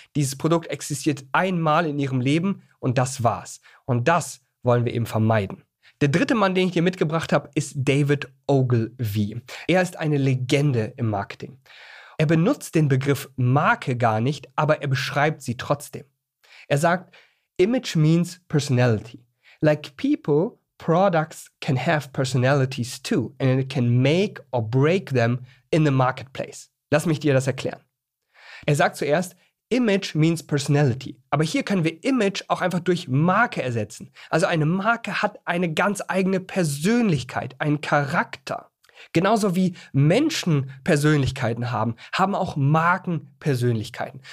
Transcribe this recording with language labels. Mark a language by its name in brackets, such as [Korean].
[German] Dieses Produkt existiert einmal in ihrem Leben und das war's. Und das wollen wir eben vermeiden. Der dritte Mann, den ich dir mitgebracht habe, ist David Ogilvie. Er ist eine Legende im Marketing. Er benutzt den Begriff Marke gar nicht, aber er beschreibt sie trotzdem. Er sagt, [English] Image means personality. Like people, products can have personalities too and it can make or break them in the marketplace. [German] Lass mich dir das erklären. Er sagt zuerst, [English] Image means personality. [German] Aber hier können wir Image auch einfach durch Marke ersetzen. Also eine Marke hat eine ganz eigene Persönlichkeit, einen Charakter. Genauso wie Menschen Persönlichkeiten haben, haben auch Marken Persönlichkeiten.